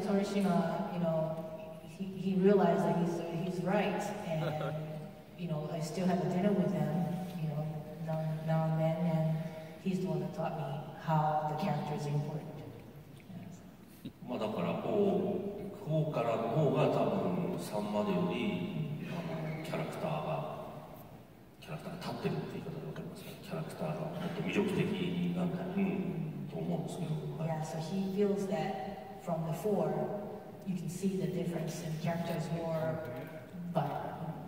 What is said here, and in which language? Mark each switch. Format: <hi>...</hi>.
<en>Torishima, you know, he realized that he's right, and you know, I still have a dinner with him, you know, now and then, and he's the one that taught me how the character is important.</en> <ja>まあだから4からの方が多分3までよりキャラクターが立ってるって言い方で分かりますね。キャラクターがもっと魅力的なんだと思うんですけど。Yeah,</ja> <en>so he feels that from the 4, you can see the difference in characters more but</en>